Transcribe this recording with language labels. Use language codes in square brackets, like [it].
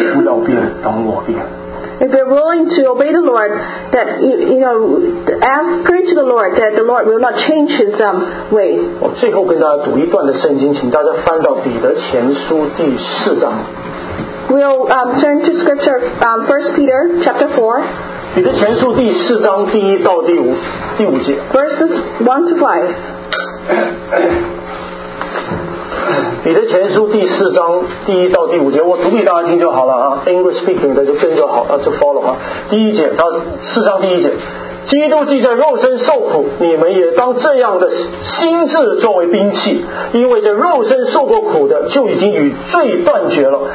[zh] 我们若愿意做一个顺服的人，我们不容易妥协。求主不要变，等我变。If [en] we're willing to obey the Lord, that you know, ask, pray to the Lord that the Lord will not change His way. [zh] 我最后跟大家读一段的圣经，请大家翻到彼得前书第四章。 [en] We'll turn to scripture, 1 Peter chapter 4. [zh] 彼得前书第四章第一到第五节。 [en] Verses 1 to 5. [zh] 彼得前书第四章。章第一到第五节，我读给大家听就好了啊。 [en] English speaking [zh] 的就跟就好，就 follow 啊。第一节，他四章第一节，基督既在肉身受苦，你们也当这样的心智作为兵器，因为这肉身受过苦的，就已经与罪断绝了。